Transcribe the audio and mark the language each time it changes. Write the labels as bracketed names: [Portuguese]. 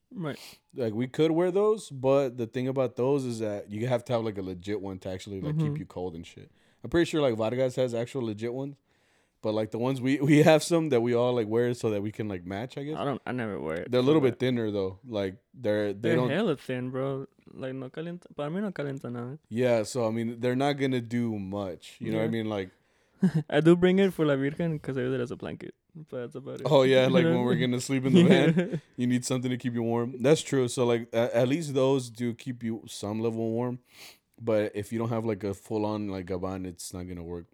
[English] Right. Like, we could wear those, but the thing about those is that you have to have, like, a legit one to actually, like, keep you cold and shit. I'm pretty sure, like, Vargas has actual legit ones, but, like, the ones we have some that we all, like, wear so that we can, like, match, I guess. I never wear it. They're a little bit thinner, though. Like, they're hella thin, bro. [Spanish] Like, no calienta, para mí no calienta nada. [English] Yeah, so, I mean, they're not gonna do much, you know what I mean? Like, I do bring it for La Virgen because I use it as a blanket, but that's about it. Oh, yeah, like when we're going to sleep in the van, you need something to keep you warm. That's true. So, like, at least those do keep you some level warm, but if you don't have, like, a full-on, like, gabán, it's not going to work.